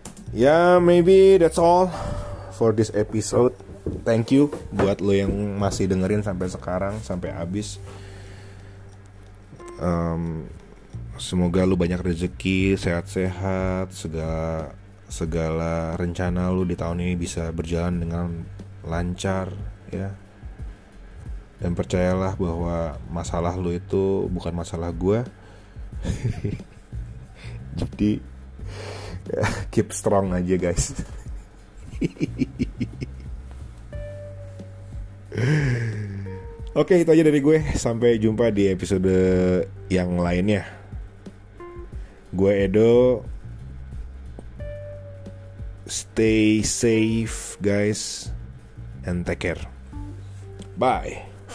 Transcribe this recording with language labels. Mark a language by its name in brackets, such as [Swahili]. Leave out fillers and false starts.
[English] Ya, yeah, maybe that's all for this episode. Thank you [Indonesian] buat lo yang masih dengerin sampai sekarang, sampai habis. Semoga lo banyak rezeki, sehat-sehat, segala rencana lo di tahun ini bisa berjalan dengan lancar, ya. Dan percayalah bahwa masalah lo itu bukan masalah gue. Jadi [English] keep strong [Indonesian] aja [English] guys. [Indonesian] Oke, itu aja dari gue. Sampai jumpa di episode yang lainnya. Gue Edo. [English] Stay safe guys, and take care. Bye.